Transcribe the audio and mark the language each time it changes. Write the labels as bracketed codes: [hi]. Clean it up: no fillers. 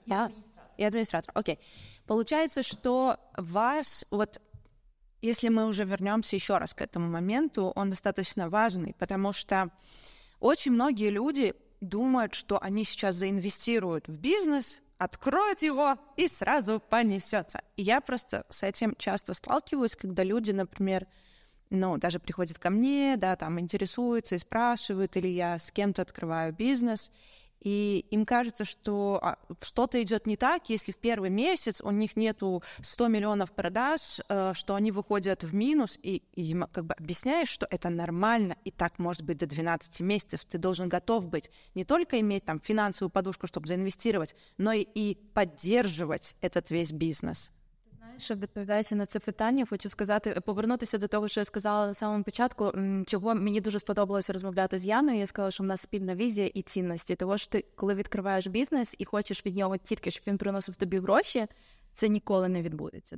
[uk] і адміністратор. І адміністратор, окей. Получається, що вас, от, якщо ми вже вернемося ще раз [ru] к этому моменту, [uk] він достатньо важливий, тому що дуже багато людей думають, що вони зараз заінвестують в бізнес, відкриють його і одразу понесеться. І я просто з цим часто сталкиваюсь, коли люди, наприклад, [ru] ну, даже приходят ко мне, да, там интересуются и спрашивают, или я с кем-то открываю бизнес, и им кажется, что что-то идет не так, если в первый месяц у них нету 100 миллионов продаж, что они выходят в минус, и им как бы объясняешь, что это нормально, и так может быть до 12 месяцев. Ты должен готов быть не только иметь там финансовую подушку, чтобы заинвестировать, но и поддерживать этот весь бізнес. [uk] Знаєш, відповідаючи на це питання, хочу сказати, повернутися до того, що я сказала на самому початку, чого мені дуже сподобалося розмовляти з Яною. Я сказала, що в нас спільна візія і цінності. Того, що ти, коли відкриваєш бізнес і хочеш від нього тільки, щоб він приносив тобі гроші, це ніколи не відбудеться.